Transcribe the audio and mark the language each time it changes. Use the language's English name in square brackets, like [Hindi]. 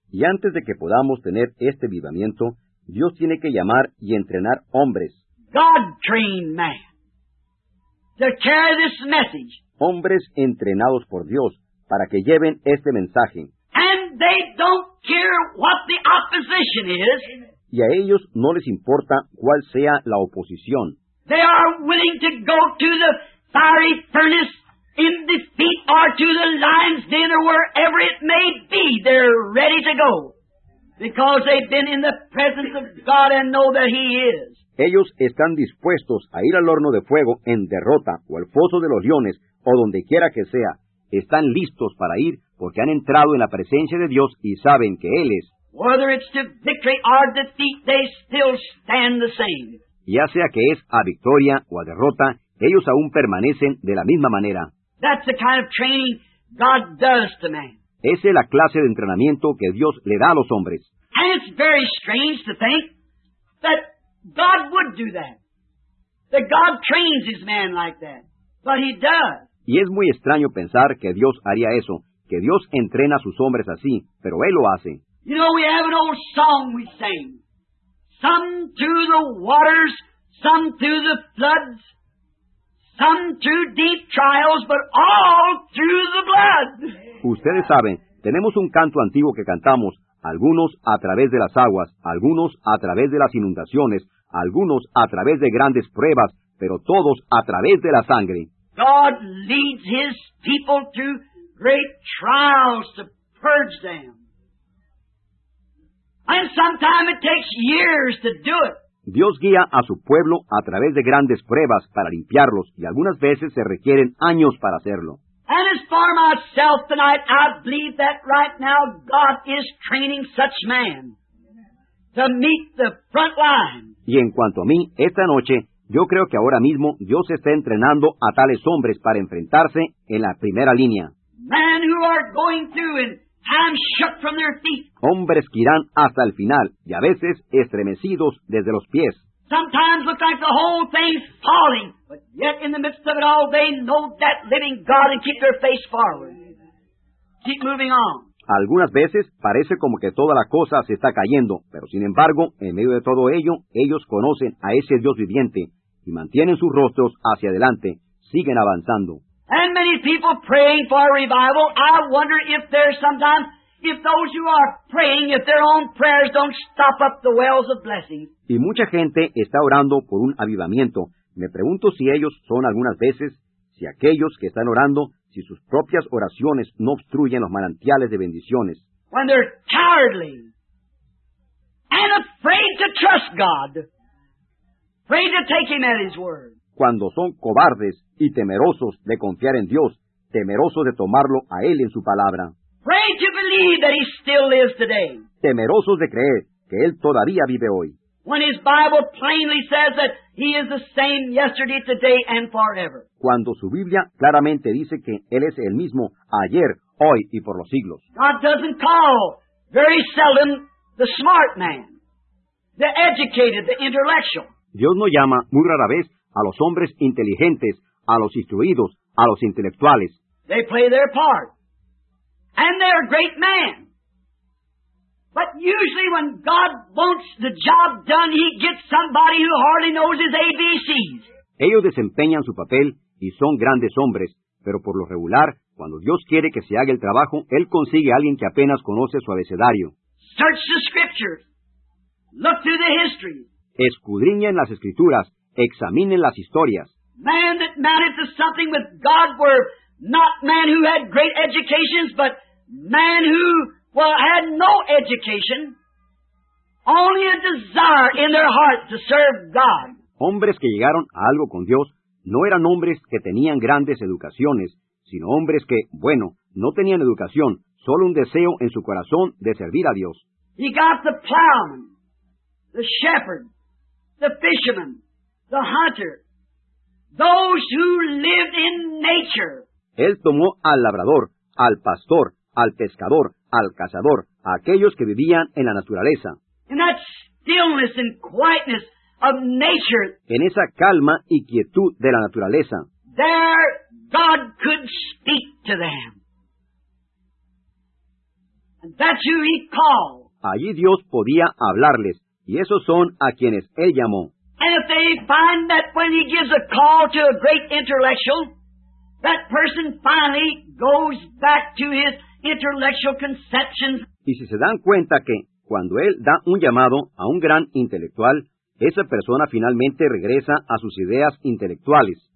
[Spanish] Y antes de que podamos tener este avivamiento, Dios tiene que llamar y entrenar hombres. [English] God trained man to carry this message. [Spanish] Hombres entrenados por Dios para que lleven este mensaje. [English] And they don't care what the opposition is. [Spanish] Y a ellos no les importa cuál sea la oposición. [English] They are willing to go to the fiery furnace in defeat or to the lion's den or wherever it may be. They're ready to go because they've been in the presence of God and know that he is. [Spanish] Ellos están dispuestos a ir al horno de fuego en derrota o al foso de los leones o donde quiera que sea. Están listos para ir porque han entrado en la presencia de Dios y saben que Él es. [English] Whether it's to victory or defeat, they still stand the same. [Spanish] Ya sea que es a victoria o a derrota, ellos aún permanecen de la misma manera. [English] That's the kind of training God does to man. [Spanish] Esa es la clase de entrenamiento que Dios le da a los hombres. [English] And it's very strange to think that God would do that. That God trains his man like that. But he does. [Spanish] Y es muy extraño pensar que Dios haría eso, que Dios entrena a sus hombres así, pero Él lo hace. [English] You know, we have an old song we sing. Some through the waters, some through the floods, some through deep trials, but all through the blood. [Spanish] Ustedes saben, tenemos un canto antiguo que cantamos, algunos a través de las aguas, algunos a través de las inundaciones, algunos a través de grandes pruebas, pero todos a través de la sangre. [English] God leads his people through great trials to purge them. And sometimes it takes years to do it. [Spanish] Dios guía a su pueblo a través de grandes pruebas para limpiarlos, y algunas veces se requieren años para hacerlo. [English] And as for myself tonight, I believe that right now God is training such man to meet the front line. [Spanish] Y en cuanto a mí, esta noche, yo creo que ahora mismo Dios está entrenando a tales hombres para enfrentarse en la primera línea. [English] Men who are going through and I'm shook from their feet. [Spanish] Hombres que irán hasta el final, y a veces estremecidos desde los pies. [English] Sometimes looks like the whole thing's falling, but yet in the midst of it all, they know that living God and keep their face forward. Keep moving on. [Spanish] Algunas veces parece como que toda la cosa se está cayendo, pero sin embargo, en medio de todo ello, ellos conocen a ese Dios viviente y mantienen sus rostros hacia adelante, siguen avanzando. [English] And many people praying for a revival. I wonder if there's sometimes, if those who are praying, if their own prayers don't stop up the wells of blessings. [Spanish] Y mucha gente está orando por un avivamiento. Me pregunto si ellos son algunas veces, si aquellos que están orando, si sus propias oraciones no obstruyen los manantiales de bendiciones. [English] When they're cowardly and afraid to trust God, afraid to take Him at His word. [Spanish] Cuando son cobardes y temerosos de confiar en Dios, temerosos de tomarlo a Él en su palabra. [English] Pray to believe that He still lives today. [Spanish] Temerosos de creer que Él todavía vive hoy. [English] When His Bible plainly says that He is the same yesterday, today, and forever. [Spanish] Cuando su Biblia claramente dice que Él es el mismo ayer, hoy y por los siglos. [English] God doesn't call very seldom the smart man, the educated, the intellectual. [Spanish] Dios no llama muy rara vez a los hombres inteligentes, a los instruidos, a los intelectuales. [English] They play their part. And they're a great man. But usually when God wants the job done, He gets somebody who hardly knows His ABCs. [Spanish] Ellos desempeñan su papel y son grandes hombres, pero por lo regular, cuando Dios quiere que se haga el trabajo, Él consigue a alguien que apenas conoce su abecedario. [English] Search the scriptures. Look through the history. [Spanish] Escudriñen las escrituras. Examinen las historias. [English] Man that mattered to something with God were not men who had great educations, but men who had no education, only a desire in their heart to serve God. [Spanish] Hombres que llegaron a algo con Dios no eran hombres que tenían grandes educaciones, sino hombres que, bueno, no tenían educación, solo un deseo en su corazón de servir a Dios. [English] He got the plowman, the shepherd, the fisherman, the hunter, those who lived in nature. [Spanish] Él tomó al labrador, al pastor, al pescador, al cazador, a aquellos que vivían en la naturaleza. [English] In that stillness and quietness of nature. [Spanish] En esa calma y quietud de la naturaleza. [English] There God could speak to them. And that's who He called. [Spanish] Allí Dios podía hablarles, y esos son a quienes Él llamó. [English] And if they find that when He gives a call to a great intellectual, that person finally goes back to his intellectual conceptions. [Spanish] Y si se dan cuenta que cuando Él da un llamado a un gran intelectual, esa persona finalmente regresa a sus ideas intelectuales.